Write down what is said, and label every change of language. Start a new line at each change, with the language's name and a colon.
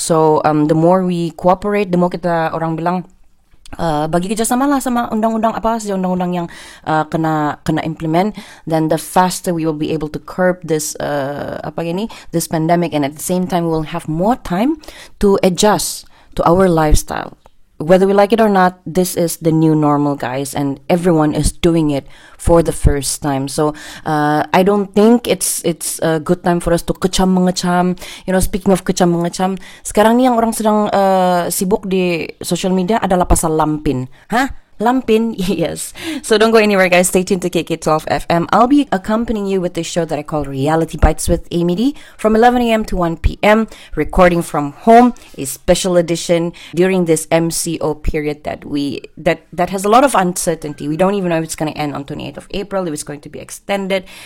English: So the more we cooperate, the more
Malay: kita orang bilang bagi kerjasama lah sama undang-undang apa saja undang-undang yang kena
English: implement, then the faster we will be able to curb this this pandemic, and at the same time we will have more time to adjust to our lifestyle. Whether we like it or not, this is the new normal, guys, and everyone is doing it for the first time. So I don't think it's a good time for us to
Malay: kecam mengecam.
English: You know, speaking of
Malay: kecam mengecam, sekarang ni yang orang sedang sibuk di social media adalah pasal lampin.
English: Hah? Lampin? Yes. So don't go anywhere, guys. Stay tuned to KK12 FM. I'll be accompanying you with this show that I call Reality Bites with Amy D from 11 a.m. to 1 p.m. recording from home, a special edition during this MCO period that has a lot of uncertainty. We don't even know if it's going to end on 28th of April, if it's going to be extended.